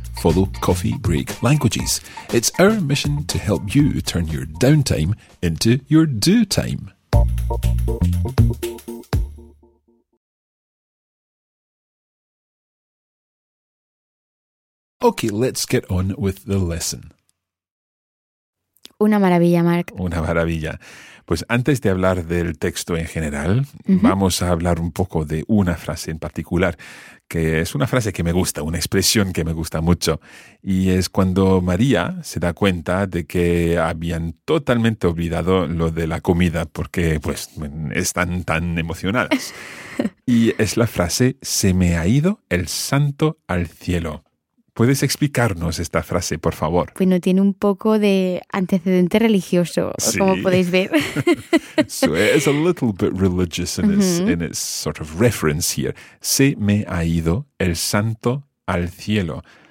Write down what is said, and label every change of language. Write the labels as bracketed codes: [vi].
[en] Follow Coffee Break Languages. It's our mission to help you turn your downtime into your do time. Okay, let's get on with the lesson. [es] Una maravilla, Mark. Una maravilla. Pues antes de hablar del texto en general, vamos a hablar un poco de una frase en particular, que es una frase que me gusta, una expresión que me gusta mucho. Y es cuando María se da cuenta de que habían totalmente olvidado lo de la comida porque pues están tan emocionadas. Y es la frase, se me ha ido el santo al cielo. ¿Puedes explicarnos esta frase, por favor? Bueno, tiene un poco de antecedente religioso, sí. Como podéis ver. [en] So it is a little bit religious in its sort of reference here. [es] Se me ha ido el santo al cielo.